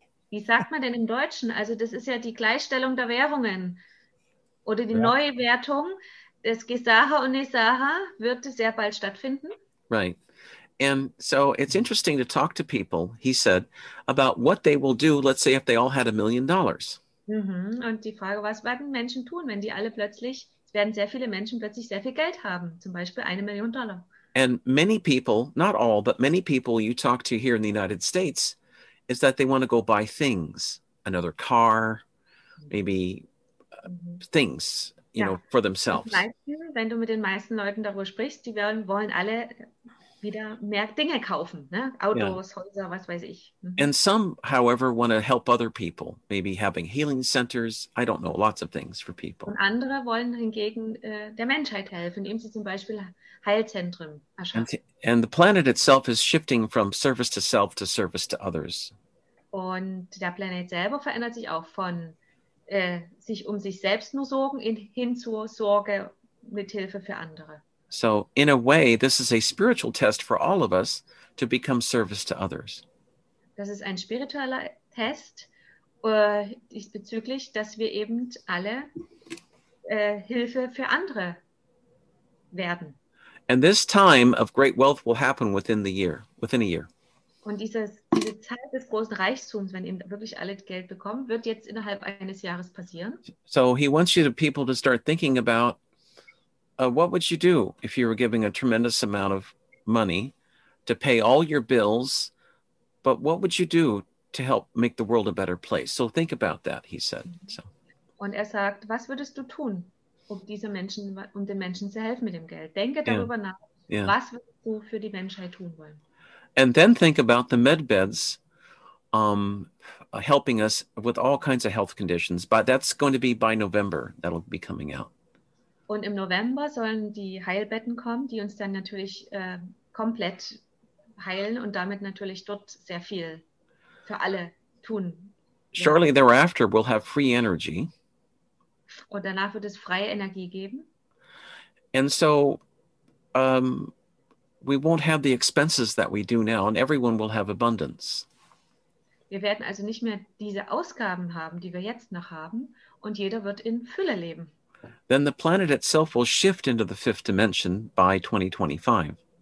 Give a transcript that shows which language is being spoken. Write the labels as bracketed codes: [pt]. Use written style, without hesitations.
[de] Wie sagt man denn im Deutschen? Also das ist ja die Gleichstellung der Währungen. Oder die neue Wertung des Gesara und Nisara wird sehr bald stattfinden. [en] Right. And so it's interesting to talk to people, he said, about what they will do, let's say, if they all had $1 million. [de] Und die Frage, was werden Menschen tun, wenn die alle plötzlich, es werden sehr viele Menschen plötzlich sehr viel Geld haben, zum Beispiel $1 million. [en] And many people, not all, but many people you talk to here in the United States, is that they want to go buy things, another car, maybe things, you know, for themselves. [de] Wenn du mit den meisten Leuten darüber sprichst, die wollen alle wieder mehr Dinge kaufen, ne? Autos, Häuser, was weiß ich. [en] And some, however, want to help other people, maybe having healing centers, I don't know, lots of things for people. [de] Und andere wollen hingegen der Menschheit helfen, indem sie zum Beispiel Heilzentren erschaffen. [en] And the planet itself is shifting from service to self to service to others. [de] Und der Planet selber verändert sich auch von sich um sich selbst nur sorgen hin zur Sorge mit Hilfe für andere. [en] So in a way, this is a spiritual test for all of us to become service to others. [de] Das ist ein spiritueller Test diesbezüglich, dass wir eben alle Hilfe für andere werden. [en] And this time of great wealth will happen within the year, within a year. [de] Und diese Zeit des großen Reichtums, wenn eben wirklich alle Geld bekommen, wird jetzt innerhalb eines Jahres passieren. [en] So he wants you to people to start thinking about what would you do if you were giving a tremendous amount of money to pay all your bills, but what would you do to help make the world a better place? So think about that, he said. So. [de] Und er sagt, was würdest du tun, um den Menschen zu helfen mit dem Geld? Denke darüber nach, was würdest du für die Menschheit tun wollen? [en] And then think about the med beds helping us with all kinds of health conditions. But that's going to be by November. That'll be coming out. [de] Und im November sollen die Heilbetten kommen, die uns dann natürlich komplett heilen und damit natürlich dort sehr viel für alle tun. [en] Shortly thereafter, we'll have free energy. [de] Und danach wird es freie Energie geben. [en] And so we won't have the expenses that we do now, and everyone will have abundance. [de] Wir werden also nicht mehr diese Ausgaben haben, die wir jetzt noch haben, und jeder wird in Fülle leben. [en] Then the planet itself will shift into the fifth dimension by 2025.